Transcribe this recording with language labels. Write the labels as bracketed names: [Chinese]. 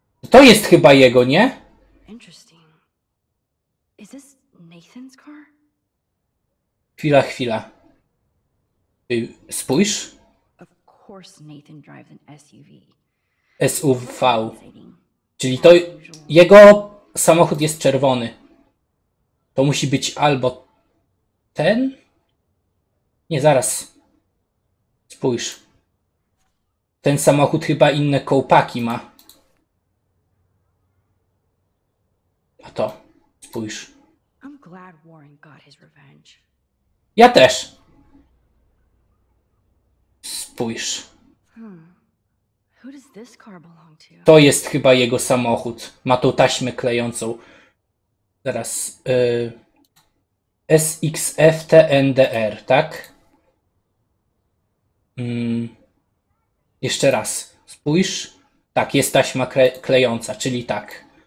[Polish] To jest chyba jego, nie? [English] Interesting. Is this Nathan's car? [Polish] Chwila, chwila. Spójrz. [English] Of course Nathan drives an SUV. SUV. [Polish] Czyli to jego samochód jest czerwony. To musi być albo ten? Nie, zaraz. Spójrz. Ten samochód chyba inne kołpaki ma. A to. Spójrz. [English] I'm glad Warren got his revenge. [Polish] Ja też. Spójrz. [English] Who does this car belong to? [Polish] To jest chyba jego samochód. Ma tą taśmę klejącą. Teraz. SXFTNDR, tak? Jeszcze raz. Spójrz. Tak, jest taśma klejąca, czyli tak.